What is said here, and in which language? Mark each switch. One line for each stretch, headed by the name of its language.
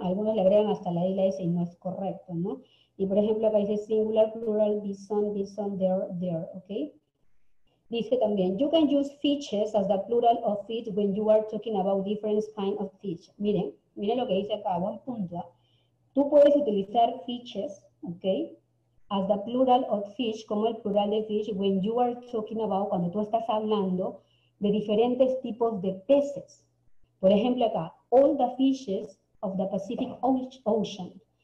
Spanish: Algunos le agregan hasta la I y la S y no es correcto, ¿no? Y, por ejemplo, acá dice singular, plural, bison, bison, there, there, ¿ok? Dice también,
English: you can use fishes as the plural of fish when you are talking about different kinds of fish.
Spanish: Miren, miren lo que dice acá, buen punto. Tú puedes utilizar fishes, ¿ok?
English: As the plural of fish,
Spanish: como el plural de fish,
English: when you are talking about,
Spanish: cuando tú estás hablando de diferentes tipos de peces. Por ejemplo acá,
English: all the fishes of the Pacific Ocean.